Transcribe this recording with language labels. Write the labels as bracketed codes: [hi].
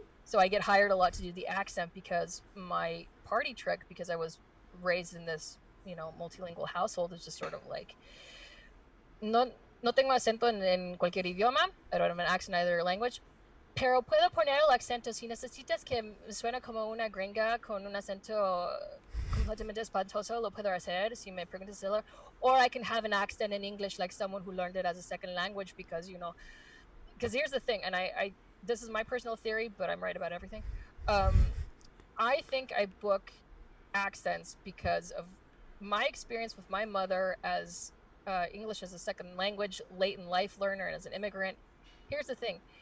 [en] So I get hired a lot to do the accent because my party trick, because I was raised in this, you know, multilingual household, is just sort of like, [es] no tengo acento en cualquier idioma. [en] I don't have an accent in either language. [es] Pero puedo poner el acento si necesitas que suena como una gringa con un acento completamente espantoso, lo puedo hacer si me preguntas. [en] Or I can have an accent in English like someone who learned it as a second language because, you know, because here's the thing, and I this is my personal theory, but I'm right about everything. I think I book accents because of my experience with my mother as English as a second language, late in life learner and as an immigrant. Here's the thing.